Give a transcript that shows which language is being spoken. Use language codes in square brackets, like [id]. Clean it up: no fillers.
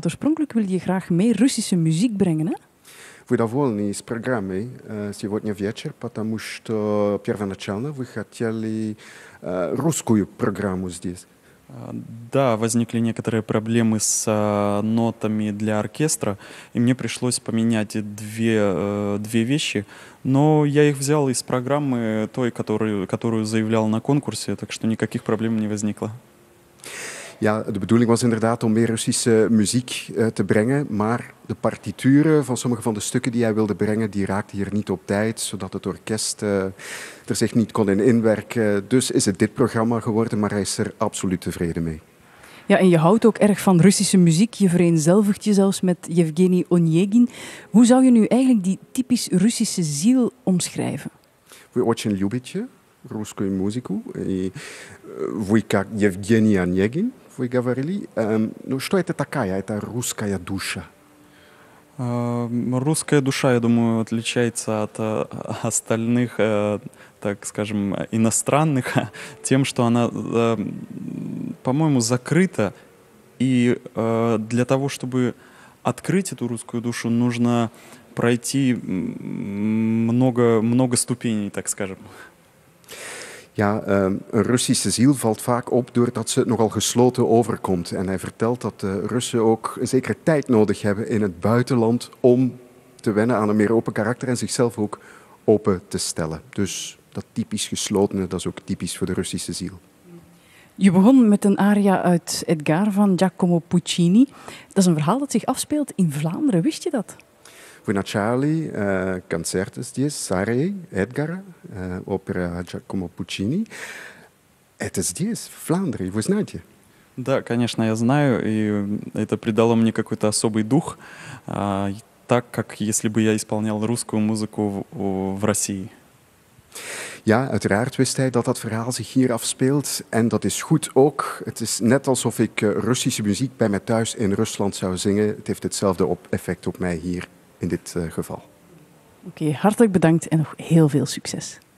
[nl] Want oorspronkelijk wilde je graag meer Russische muziek brengen, hè? [ru] Вы довольны с программой сегодня вечер, потому что первоначально вы хотели русскую программу здесь. Да, возникли некоторые проблемы с нотами для оркестра, и мне пришлось поменять две вещи. Но я их взял из программы той, которую заявлял на конкурсе, так что никаких проблем не возникло. [nl] Ja, de bedoeling was inderdaad om meer Russische muziek te brengen, maar de partituren van sommige van de stukken die hij wilde brengen, die raakten hier niet op tijd, zodat het orkest er zich niet kon in inwerken. Dus is het dit programma geworden, maar hij is er absoluut tevreden mee. Ja, en je houdt ook erg van Russische muziek. Je vereenzelvigt je zelfs met Yevgeny Onegin. Hoe zou je nu eigenlijk die typisch Russische ziel omschrijven? [ru] Вы очень любите русскую музыку. Вы как Евгений Онегин, вы говорили. Ну, что это такая? Это русская душа. Русская душа, я думаю, отличается от остальных, так скажем, иностранных, тем, что она, по-моему, закрыта. И для того, чтобы открыть эту русскую душу, нужно пройти много ступеней, так скажем. [nl] Ja, een Russische ziel valt vaak op doordat ze nogal gesloten overkomt. En hij vertelt dat de Russen ook een zekere tijd nodig hebben in het buitenland om te wennen aan een meer open karakter en zichzelf ook open te stellen. Dus dat typisch geslotene, dat is ook typisch voor de Russische ziel. Je begon met een aria uit Edgar van Giacomo Puccini. Dat is een verhaal dat zich afspeelt in Vlaanderen, wist je dat? [ru] Вы начали концерт здесь с арией Эдгара, опера Джакомо Пуччини. Это здесь, в Фландрии, вы знаете? Да, конечно, я знаю, и это придало мне какой-то особый дух, так как если бы я исполнял русскую музыку в России. [nl] Ja, uiteraard wist hij dat dat verhaal zich hier afspeelt. En dat is goed ook. Het is net alsof ik Russische muziek bij mij thuis in Rusland zou zingen. Het heeft hetzelfde effect op mij hier. In dit geval. Oké, hartelijk bedankt en nog heel veel succes.